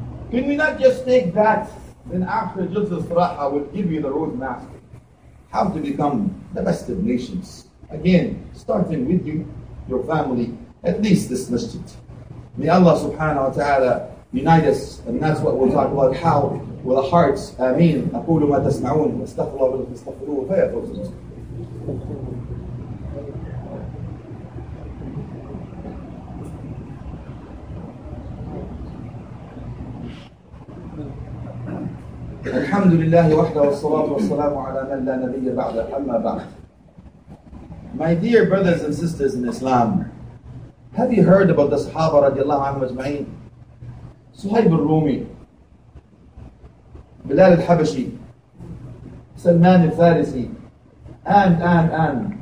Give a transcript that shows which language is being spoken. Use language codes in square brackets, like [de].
[en] Can we not just take that, then after Juz al-Saraha would give you the roadmap, how to become the best of nations? Again, starting with you, your family, at least this masjid. May Allah subhanahu wa ta'ala unite us, and that's what we'll talk about, how with our hearts. Ameen. [ar] أقول ما تسمعون استغفر الله ولكم استغفروه فيا فوز. الحمد لله وحده والصلاة والسلام على من لا نبي بعد أما بعد. [en] My dear brothers and sisters in Islam, have you heard about the Sahaba radiallahu anhu ajma'in? Suhaib al-Rumi, Bilal al-Habashi, Salman al-Farisi, and.